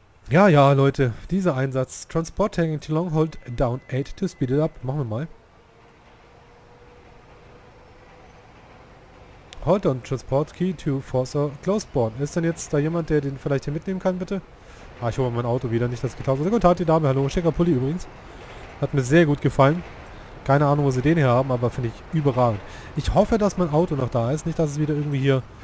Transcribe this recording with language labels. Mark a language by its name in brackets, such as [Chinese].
[German] Ja, Leute, dieser Einsatz. [English] Transport hanging too long, hold down 8 to speed it up. [German] Machen wir mal. [English] Hold on transport key to force a close spawn. [German] Ist denn jetzt da jemand, der den vielleicht hier mitnehmen kann, bitte? Ah, ich hole mein Auto wieder, nicht das getauscht. Guten Tag, die Dame, hallo. Schicker Pulli übrigens. Hat mir sehr gut gefallen. Keine Ahnung, wo sie den hier haben, aber finde ich überragend. Ich hoffe, dass mein Auto noch da ist. Nicht, dass es wieder irgendwie hier...